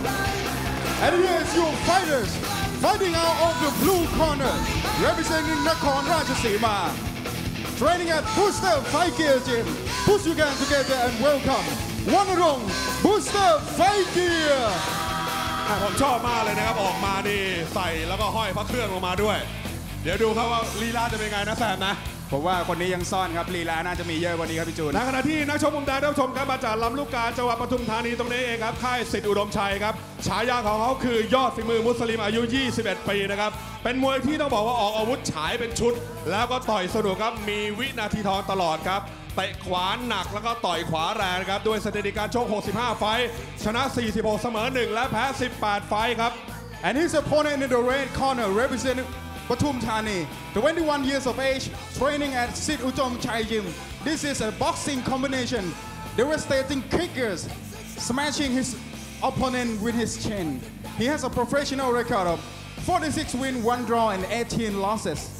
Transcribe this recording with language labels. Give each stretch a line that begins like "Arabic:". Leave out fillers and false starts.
English: And here is your fighters, fighting out of the blue corner, representing Nakhon Rajasima. Training at Booster Fight Gear Gym. Put your hands together and welcome, Wan Rong, Booster Fight Gear.
Thai: ผมชอบมากเลยนะครับออกมานี่ใส่แล้วก็ห้อยพระเครื่องลงมาด้วยเดี๋ยวดูครับว่าลีลาจะเป็นไงนะแซมนะ ผมว่าคนนี้ยังซ่อนครับลีลาน่าจะมีเยอะกว่านี้ครับพี่จูน ในขณะที่นักชกมุมแดงท่านชมครับมาจากลำลูกกาจังหวัดปทุมธานีตรงนี้เองครับค่ายสิทธิ์อุดมชัยครับฉายาของเขาคือยอดฝีมือมุสลิมอายุ21ปีนะครับเป็นมวยที่ต้องบอกว่าออกอาวุธฉายเป็นชุดแล้วก็ต่อยสนุกครับมีวินาทีทองตลอดครับ ตะขวาหนักแล้วก็ต่อยขวาแรงครับด้วยสถิติการชก65ไฟชนะ46เสมอ1และแพ้18ไฟครับ
English: And his opponent in the red corner representing Pathum Thani 21 years of age training at Sit Uttom Chai Gym This is a boxing combination devastating kickers smashing his opponent with his chin He has a professional record of 46 win 1 draw and 18 losses